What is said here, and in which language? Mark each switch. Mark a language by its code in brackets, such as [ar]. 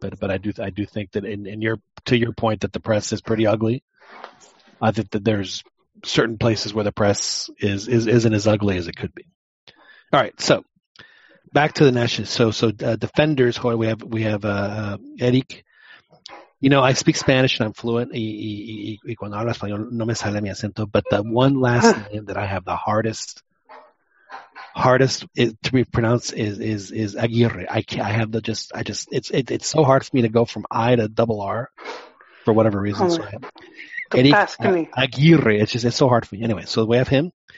[en] But I do think that to your point that the press is pretty ugly. I think that there's certain places where the press isn't as ugly as it could be. All right, so back to the national. So defenders. We have Eric. You know, I speak Spanish and I'm fluent. [es] Y cuando hablo español, no me sale mi acento. [en] But the one last name that I have the hardest to be pronounced is Aguirre. It's so hard for me to go from I to double R for whatever reason. Aguirre. It's so hard for me. Anyway, so we have him.